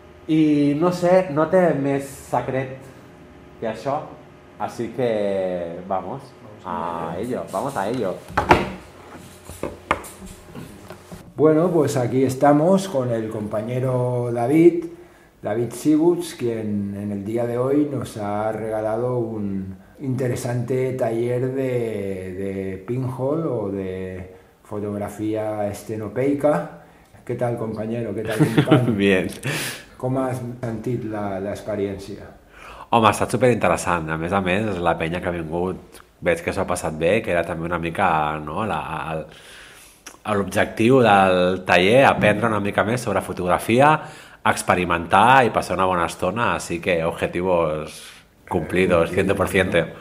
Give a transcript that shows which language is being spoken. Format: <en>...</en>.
<ca>I no sé, no té més secret que això, així que</ca> <es>vamos a ello, vamos a ello. Bueno, pues aquí estamos con el compañero David Sibuts, quien en el día de hoy nos ha regalado un interesante taller de pinhole o de fotografía estenopeica. ¿Qué tal, compañero? ¿Qué tal, compañero? Bien. ¿Cómo has sentido la experiencia?</es> <ca>Home, ha estat superinteressant. A més, la penya que ha vingut, veig que s'ha passat bé, que era també una mica, no, l'objectiu del taller, aprendre una mica més sobre fotografia, experimentar i passar una bona estona,</ca> <es>así que objetivos cumplidos,</es> <ca>100%.</ca>